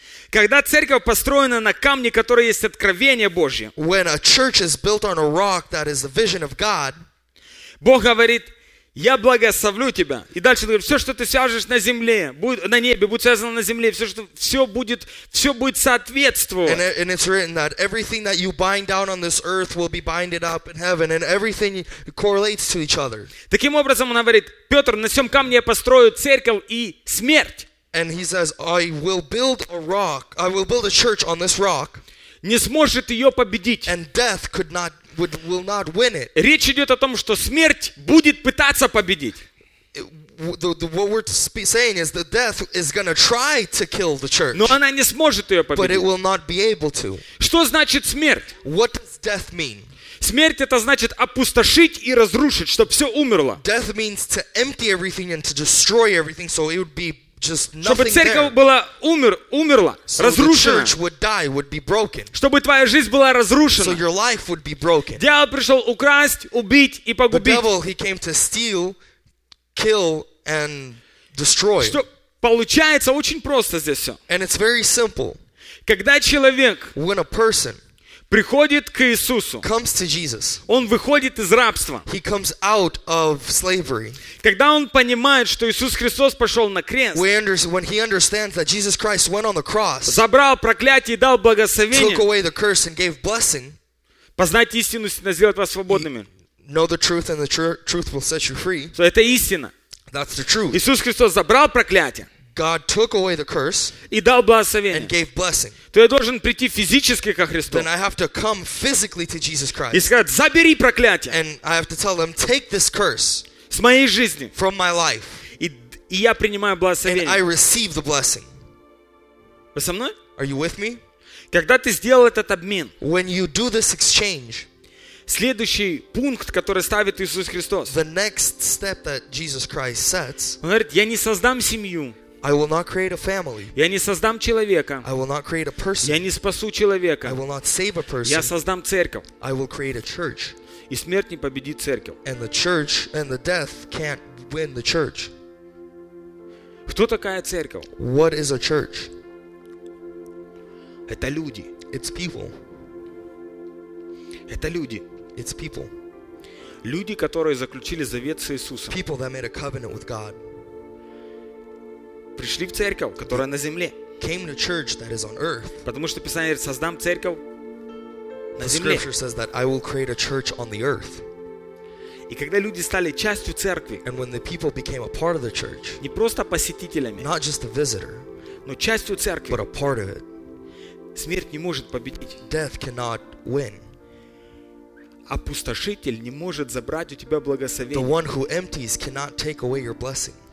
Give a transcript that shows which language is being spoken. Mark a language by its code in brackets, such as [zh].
[ru] Когда церковь построена на камне, который есть откровение Божье. [en] When a church is built on a rock that is the vision of God. [ru] Бог говорит, я благословлю тебя. И дальше он говорит, все, что ты свяжешь на земле, будет, на небе, будет связано на земле, все, что, все будет соответствовать. [en] And it's written that everything that you bind down on this earth will be binded up in heaven, and everything correlates to each other. [ru] Таким образом, он говорит, Петр, на всем камне я построю церковь и смерть. [en] And he says, I will build a rock, I will build a church on this rock. [ru] Не сможет ее победить. [en] And death could not will not win it. [ru] Речь идет о том, что смерть будет пытаться победить. [en] What we're saying is that death is going to try to kill the church. [ru] Но она не сможет ее победить. [en] But it will not be able to. [ru] Что значит смерть? [en] What does death mean? [ru] Смерть это значит опустошить и разрушить, чтобы все умерло. [en] Death means to empty everything and to destroy everything, so it would be just nothing. [ru] Чтобы церковь была умерла, [en] so [ru] разрушена. [en] The church would die, would be broken. [ru] Чтобы твоя жизнь была разрушена. [en] So your life would be broken. [ru] Дьявол пришел украсть, убить и погубить. [en] The devil, he came to steal, kill and destroy. [ru] Что получается очень просто здесь все. [en] And it's very simple. [ru] Когда человек [en] when a person [ru] приходит к Иисусу. [en] Comes to Jesus. [ru] Он выходит из рабства. [en] He comes out of slavery. [ru] Когда он понимает, что Иисус Христос пошел на крест. [en] When he understands that Jesus Christ went on the cross. [ru] Забрал проклятие и дал благословение. [en] Took away the curse and gave blessing. [ru] Познать истину истина сделает вас свободными. [en] Know the truth and the truth will set you free. [ru] So это истина. [en] That's the truth. [ru] Иисус Христос забрал проклятие. [en] God took away the curse [ru] и дал благословение. [en] And gave blessing. [ru] То я должен прийти физически ко Христу. [en] Then I have to come physically to Jesus Christ. [ru] И сказать, забери проклятие. [en] And I have to tell them, take this curse [ru] с моей жизни. [en] From my life. [ru] И я принимаю благословение. [en] And I receive the blessing. [ru] Вы со мной? [en] Are you with me? [ru] Когда ты сделал этот обмен, [en] when you do this exchange, [ru] следующий пункт, который ставит Иисус Христос, [en] the next step that Jesus Christ sets, [ru] он говорит, я не создам семью. [en] I will not create a family. [ru] Я не создам человека. [en] I will not create a person. [ru] Я не спасу человека. [en] I will not save a person. [ru] Я создам церковь. [en] I will create a church. [ru] И смерть не победит церковь. [en] And the church and the death can't win the church. [ru] Кто такая церковь? [en] What is a church? [ru] Это люди. [en] It's people. [ru] Это люди. [en] It's people. [ru] Люди, которые заключили завет с Иисусом. [en] People that made a covenant with God. [ru] Пришли в церковь, которая на земле. [en] Came to church that is on earth. [ru] Потому что Писание говорит, создам церковь на [en] the [ru] земле. [en] Scripture says that I will create a church on the earth. [ru] И когда люди стали частью церкви, [en] and when the people became a part of the church, [ru] не просто посетителями, [en] not just a visitor, [ru] но частью церкви, [en] but a part of it, [ru] смерть не может победить. [en] Death cannot win. [ru] Опустошитель не может забрать у тебя благословение. [en] The one who empties cannot take away your blessing.